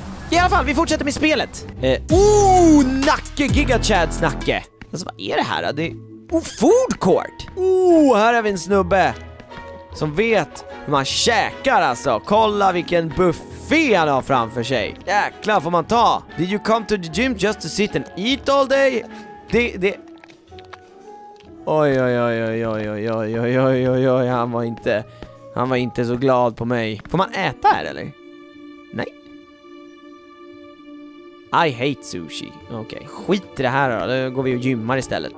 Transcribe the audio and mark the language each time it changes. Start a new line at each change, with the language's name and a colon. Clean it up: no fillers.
Swedish: I alla fall, vi fortsätter med spelet. Nacke, GIGA CHADs nacke. Alltså, vad är det här då?
English: Food court.
Swedish: Här är vi en snubbe som vet hur man käkar alltså. Kolla vilken buffé han har framför sig. Jäklar, får man ta.
English: Did you come to the gym just to sit and eat all day?
Swedish: Det Oj, han var inte så glad på mig. Får man äta här eller? Nej.
English: I hate sushi. Okej.
Swedish: Skit i det här då. Då går vi och gymmar istället.